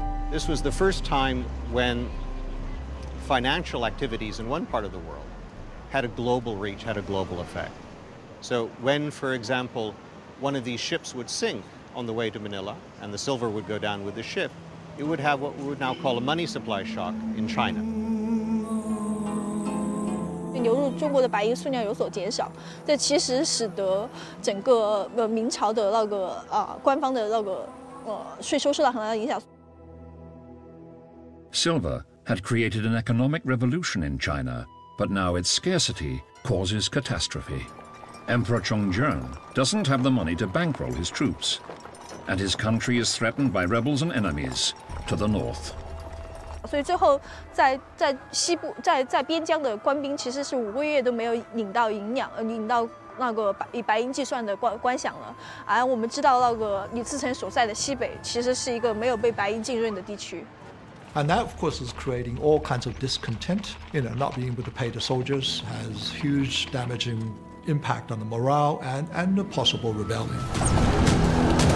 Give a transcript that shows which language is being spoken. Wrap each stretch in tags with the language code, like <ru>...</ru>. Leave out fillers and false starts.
<en>This was the first time when financial activities in one part of the world had a global reach, had a global effect. So when, for example, one of these ships would sink on the way to Manila and the silver would go down with the ship, it would have what we would now call a money supply shock in China.</en> <zh>流入中国的白银数量有所减少，这其实使得整个明朝的那个官方的那个税收受到很大的影响。</zh> <en>Silver had created an economic revolution in China, but now its scarcity causes catastrophe. Emperor Chongzhen doesn't have the money to bankroll his troops, and his country is threatened by rebels and enemies to the north.</en> <zh>所以最后在西部在边疆的官兵其实是五个月都没有领到银两，领到那个以白银计算的官饷了。而我们知道那个李自成所在的西北其实是一个没有被白银浸润的地区。</zh> <en>And that, of course, is creating all kinds of discontent. You know, not being able to pay the soldiers has huge damaging impact on the morale and a possible rebellion.</en>